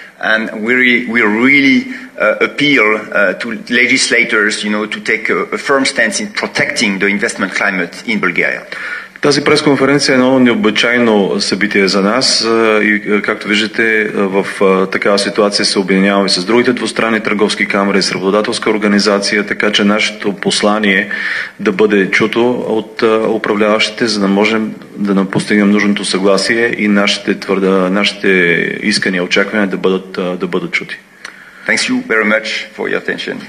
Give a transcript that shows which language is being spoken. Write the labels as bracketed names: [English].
[English] And we really appeal to legislators, you know, to take a firm stance in protecting the investment climate in Bulgaria. [Bulgarian] Тази пресконференция е едно необичайно събитие за нас и, както виждате, в такава ситуация се обединяваме с другите двустранни търговски камери, с работодателска организация, така че нашето послание да бъде чуто от управляващите, за да можем да постигнем нужното съгласие и нашите искания, очаквания да бъдат чути. [English] Thanks you very much for your attention.